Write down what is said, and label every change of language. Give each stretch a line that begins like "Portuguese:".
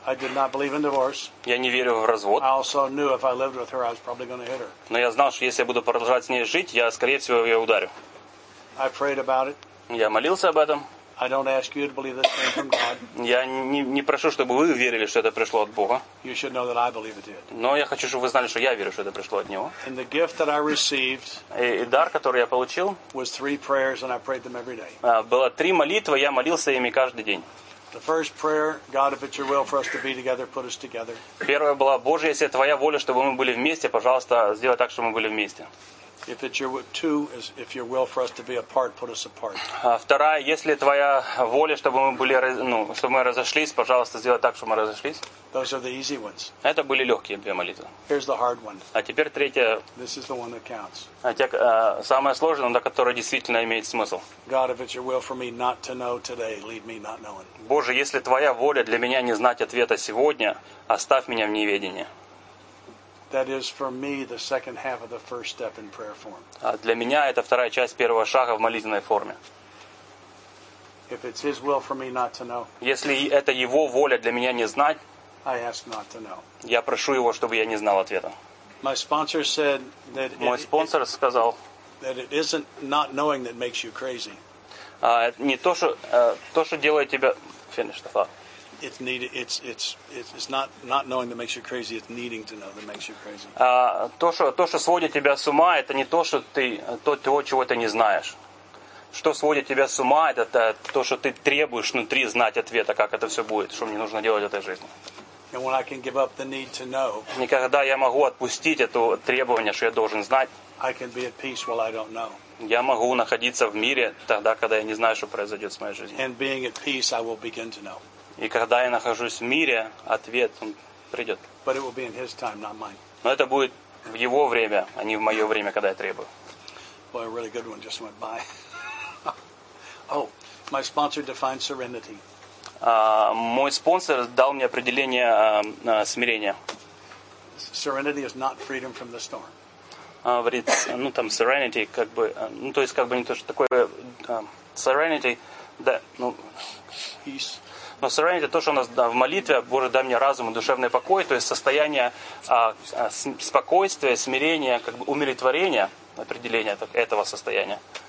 English: I did not believe in divorce.
Russian: Я не верю в развод.
English: I also knew if I lived with her, I was probably going to hit her.
Russian: Но я знал, что если я буду продолжать с ней жить, я скорее всего её ударю.
English: I prayed about it.
Russian: Я молился об этом.
English: I don't ask you to believe this came from God.
Russian: Я не прошу, чтобы вы верили, что это пришло от Бога.
English: You should know that I believe it did.
Russian: Но я хочу, чтобы вы знали, что я верю, что это пришло от него.
English: And the gift that I received.
Russian: И дар, который я получил.
English: Was 3 prayers and I prayed them every day.
Russian: Было 3 молитвы, я молился ими каждый день.
English: The first prayer, God, if it's your will for us to be together, put us together.
Russian: Первая была: Боже, если твоя воля, чтобы мы были вместе, пожалуйста, сделай так, чтобы мы были вместе.
English: If it's your will, 2 is if your will for us to be apart, put us apart.
Russian: Вторая, если твоя воля, чтобы мы были, ну, чтобы мы разошлись, пожалуйста, сделай так, чтобы мы разошлись.
English: Those are the easy ones.
Russian: Это были лёгкие две молитвы.
English: Here's the hard one.
Russian: А теперь третья.
English: This is the one that counts.
Russian: Самая сложная, но та, которая действительно имеет смысл.
English: God, if it's your will for me not to know today, lead me not knowing.
Russian: Боже, если твоя воля для меня не знать ответа сегодня, оставь меня в неведении.
English: That is for me the second half of the first step in prayer form.
Russian: Для меня это вторая часть первого шага в молитвенной форме.
English: If it's his will for me not to know.
Russian: Если это его воля для меня не знать.
English: I ask not to know.
Russian: Я прошу его, чтобы я не знал ответа.
English: My sponsor said that
Russian: Мой спонсор сказал.
English: That it isn't not knowing that makes you crazy.
Russian: Не то, что то, что делает тебя
English: finish the thought. It's not knowing that makes you crazy. It's needing to know that makes you crazy.
Russian: То, что сводит тебя с ума, это не то, что ты то, чего ты не знаешь. Что сводит тебя с ума, это то, что ты требуешь внутри знать ответа, как это все будет, что мне нужно делать в этой жизни.
English: And when I can give up the need to know.
Russian: Никогда я могу отпустить это требование, что я должен знать.
English: I can be at peace while I don't know.
Russian: Я могу находиться в мире тогда, когда я не знаю, что произойдет с моей жизнью.
English: And being at peace, I will begin to know.
Russian: И когда я нахожусь в мире, ответ он придет.
English: But it will be in his time, not mine.
Russian: Но это будет в его время, а не в мое время, когда я требую.
English: Boy, a really good one just went by. Oh, my sponsor defined serenity.
Russian: Мой спонсор дал мне определение смирения.
English: Serenity is not freedom from the storm.
Russian: Говорит, ну там serenity, как бы, ну то есть как бы не то, что такое serenity, да, ну,
English: peace.
Russian: Но serenity то, что у нас да, в молитве, Боже, дай мне разум и душевный покой, то есть состояние спокойствия, смирения, как бы умиротворения, определение так, этого состояния.